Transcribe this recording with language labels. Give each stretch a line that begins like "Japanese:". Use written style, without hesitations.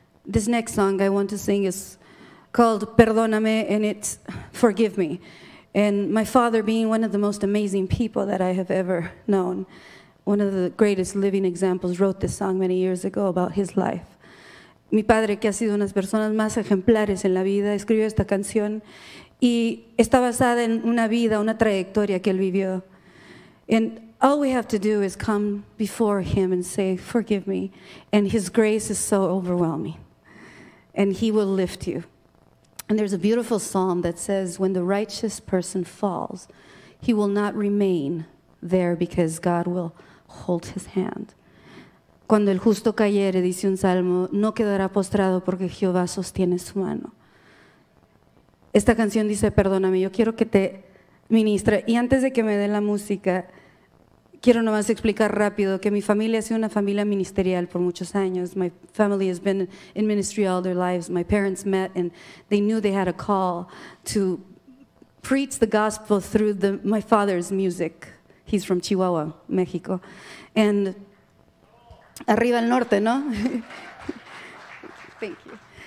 English: This next song I want to sing is called Perdóname, and it's Forgive Me. And my father, being one of the most amazing people that I have ever known, one of the greatest living examples, wrote this song many years ago about his life.
Spanish: Mi padre, que ha sido una de las personas más ejemplares en la vida, escribió esta canción y está basada en una vida, una trayectoria que él vivió.
English: And all we have to do is come before him and say, forgive me. And his grace is so overwhelming. And he will lift you. And there's a beautiful psalm that says, when the righteous person falls, he will not remain there because God will hold his hand.
Spanish: Cuando el justo cayere, dice un salmo, no quedará postrado porque Jehová sostiene su mano. Esta canción dice, perdóname, yo quiero que te ministre. Y antes de que me dé la música, quiero nomás explicar rápido que mi familia ha sido una familia ministerial por muchos años.
English: My family has been in ministry all their lives. My parents met and they knew they had a call to preach the gospel through my father's music. He's from Chihuahua, México. And
Spanish: arriba al norte, ¿no?
English: Thank you.